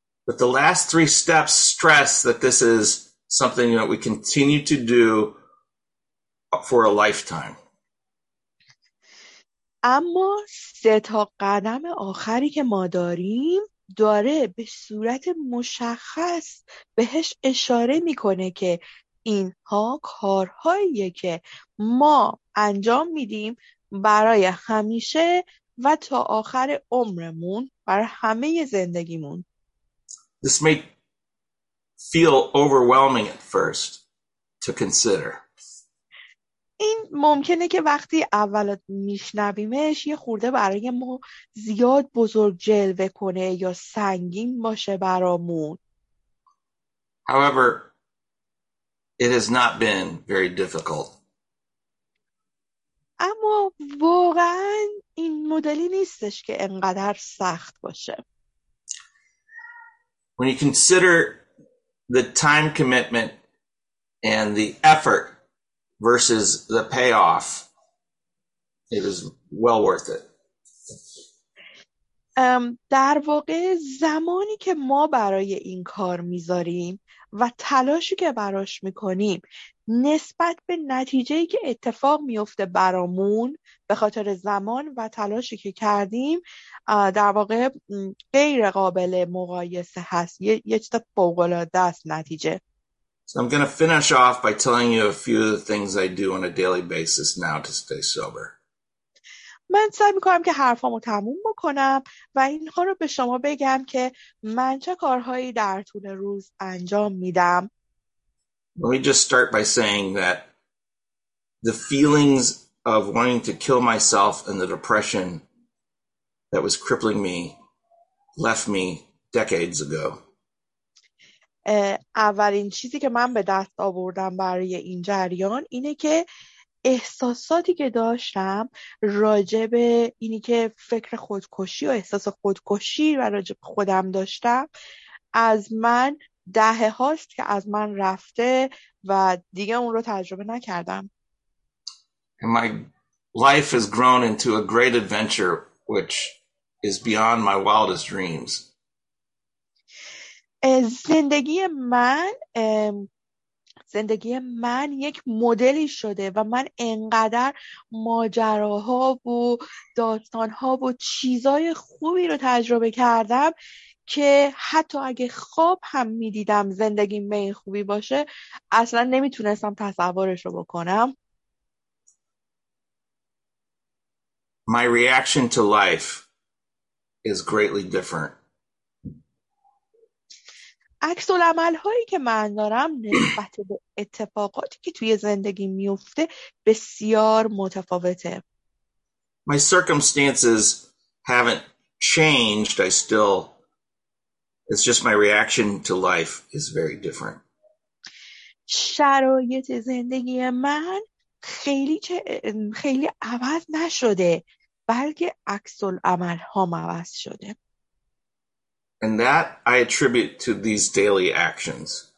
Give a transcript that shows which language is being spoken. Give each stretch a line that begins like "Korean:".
English: But the last three steps stress that this is something that we continue to do for a lifetime.
Persian: اما سه تا قدم آخری که ما داریم داره به صورت مشخص بهش اشاره میکنه که اینها کارهایی که ما انجام میدیم برای همیشه و تا آخر عمرمون برای همه زندگیمون.
English: This may feel overwhelming at first to consider.
Persian: این ممکنه که وقتی اول میشنویمش یه خورده برای ما زیاد بزرگ جلوه کنه یا سنگین باشه برامون.
English: However, it has not been very difficult.
Persian: اما واقعاً این مدلی نیستش که انقدر سخت باشه.
English: When you consider the time commitment and the effort versus the payoff, it is well worth it.
Persian: در واقع زمانی که ما برای این کار میذاریم و تلاشی که براش میکنیم نسبت به نتیجه‌ای که اتفاق میفته برامون به خاطر زمان و تلاشی که کردیم در واقع غیر قابل مقایسه هست. یه چیز فوق‌العاده است نتیجه.
English: So I'm going to finish off by telling you a few of the things I do on a daily basis now to stay sober.
Persian: من سعی می‌کنم که حرفامو تموم بکنم و اینها رو به شما بگم که من چه کارهایی در طول روز انجام میدم.
English: Let me just start by saying that the feelings of wanting to kill myself and the depression that was crippling me left me decades ago.
Persian: اولین چیزی که من به دست آوردم برای این جریان اینه که احساساتی که داشتم راجع به اینی که فکر خودکشی و احساس خودکشی و راجع به خودم داشتم از من دهه هاست که از من رفته و دیگه اون رو تجربه نکردم.
English: And my life has grown into a great adventure which is beyond my wildest dreams.
Persian: زندگی من زندگی من یک مدلی شده و من انقدر ماجراها و داستانها و چیزای خوبی رو تجربه کردم که حتی اگه خواب هم میدیدم زندگی من خوبی باشه اصلا نمیتونستم تصورش رو بکنم.
English: My reaction to life is greatly different.
Persian: عکس العمل هایی که من دارم نسبت به اتفاقاتی که توی زندگی میفته بسیار متفاوته.
English: My circumstances haven't changed. It's just my reaction to life is very different.
Persian: شرایط زندگی من خیلی عوض نشده، بلکه عکس العمل هام عوض شده.
English: And that I attribute to these daily actions.